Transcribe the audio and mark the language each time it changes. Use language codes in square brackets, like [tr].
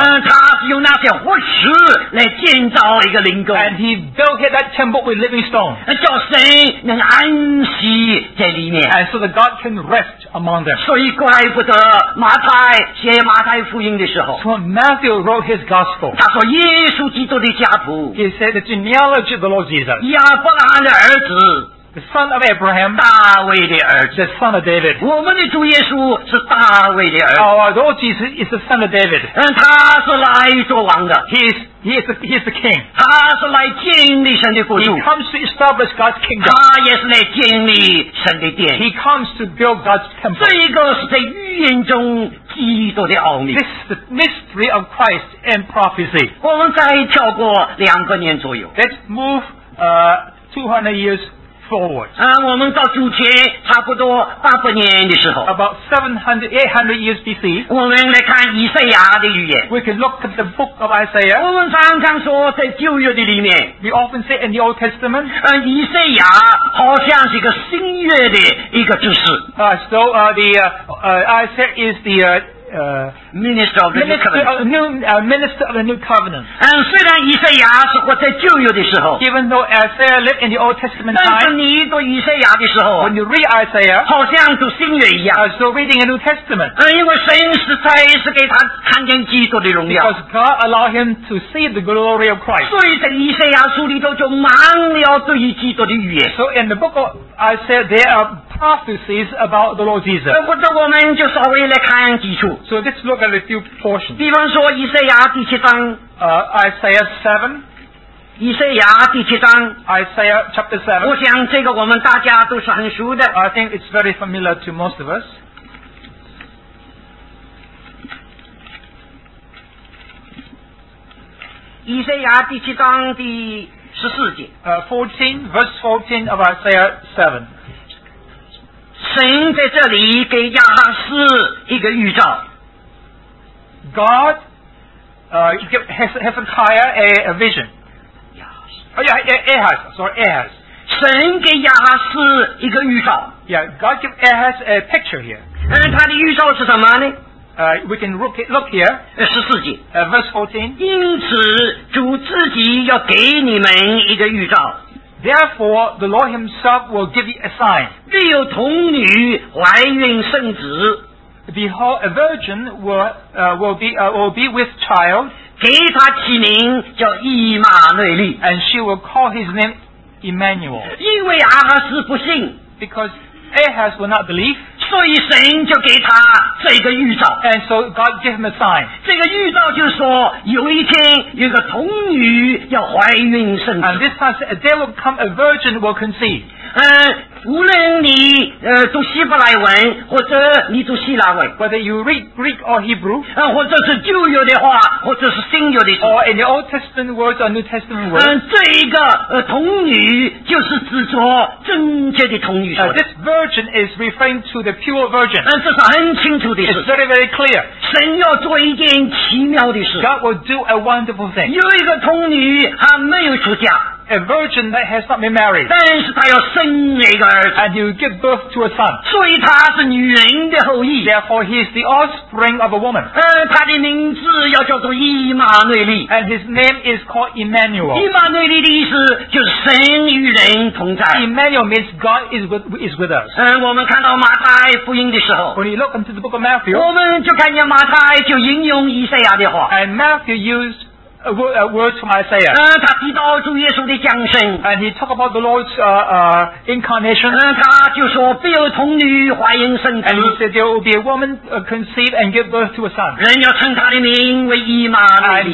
[zh] 他是用那些活石来建造一个灵宫 [en] and he built that temple with living stone [zh] 叫神能安息在里面 [en] and so that God can rest among them [zh] 所以怪不得马太写马太福音的时候 [en] so Matthew wrote his gospel [zh] 他说耶稣基督的家谱 [en] he said the genealogy of the Lord Jesus [zh] 亚伯拉罕的儿子 [en] The son of Abraham, [zh] 大卫的儿子 [en] the son of David. [zh] 我们的主耶稣是大卫的儿子 [en] Our Lord Jesus is the son of David. [zh] 他是来做王的 [en] He is the king. [zh] 他是来建立神的国度 [en] He comes to establish God's kingdom. [zh] 他也是来建立神的殿 [en] He comes to build God's temple. [zh] 这一个是在预言中基督的奥秘 [en] This is the mystery of Christ and prophecy. [zh] 我们再跳过两个年左右 [en] Let's move 200 years forward. [zh] 我们到主前差不多八百年的时候 [en] About 700-800 years BC [zh] 我们来看以赛亚的预言 [en] We can look at the book of Isaiah [zh] 我们常常说在旧约的里面 [en] We often say in the Old Testament [zh] 以赛亚好像是一个新约的一个知识 [en] Isaiah is the minister of the minister, new covenant. Minister of the new covenant. [zh] 虽然以赛亚是活在旧约的时候 [en] even though Isaiah lived in the Old Testament time, [zh] 但是你读以赛亚的时候 [en] when you read Isaiah, [zh] 好像读新约一样 [en] still reading a new testament. [zh] 因为神实在是给他看见基督的荣耀 [en] because God allowed him to see the glory of Christ. [zh] 所以在以赛亚书里头就满了对于基督的预言 [en] so in the book of Isaiah, there are prophecies about the Lord Jesus. [zh] 或者我们就稍微来看几处 [en] So let's look at a few portions. [zh] 比方说以赛亚第七章 [en] Isaiah 7 [zh] 以赛亚第七章 [en] Isaiah chapter 7 [zh] 我想这个我们大家都是很熟的 [en] I think it's very familiar to most of us [zh] 以赛亚第七章第十四节。 [en] 14:14 of Isaiah 7。 [zh] 神在这里给亚哈斯一个预兆。 [en] God has a higher a vision. Ahaz. [zh] 神给亚哈斯一个预兆。 [en] Yeah, God gave Ahaz a picture here. [zh] 他的预兆是什么呢？ [en] We can look here. [zh] 14节。 [en] 14. [zh] 因此，主自己要给你们一个预兆。 [en] Therefore, the Lord Himself will give you a sign. [zh] 必有童女怀孕生子。 [en] Behold, a virgin will be with child. [zh] 给他起名叫以马内利。 [en] And she will call his name Emmanuel. [zh] 因为阿哈斯不信。 [en] Because Ahaz will not believe. [zh] 所以神就给他这个预兆。 [en] And so God gave him a sign. [zh] 这个预兆就是说，有一天有个童女要怀孕生子。 [en] And this time said, there will come a virgin will conceive. [zh] 无论你读希伯来文或者你读希腊文 [en] ，whether you read Greek or Hebrew， [zh] 或者是旧约的话，或者是新约的话 [en] ，or in the Old Testament words or New Testament words， [zh] 这一个童女就是指着贞洁的童女说的。 [en] This virgin is referring to the pure virgin。 [zh] 这是很清楚的事。 [en] It's very very clear。 [zh] 神要做一件奇妙的事。 [en] God will do a wonderful thing。 [zh] 有一个童女还没有出嫁。 [en] A virgin that has not been married. [zh] 但是他要生一个儿子。 [en] And he will give birth to a son. [zh] 所以他是女人的后裔。 [en] Therefore he is the offspring of a woman. [zh] 他的名字要叫做以马内利。 [en] And his name is called Emmanuel. [zh] 以马内利的意思就是神与人同在。 [en] Emmanuel means God is with us. [zh] 我们看到马太福音的时候。 [en] When you look into the book of Matthew. [zh] 我们就看见马太就引用以赛亚的话。 [en] And Matthew used a word from Isaiah. [zh] 他提到主耶稣的降生。 [en] And he talked about the Lord's incarnation. [zh] 他就说必有童女怀孕生子。 [en] And he said there will be a woman conceive and give birth to a son. [zh] 人要称他的名为以马内利。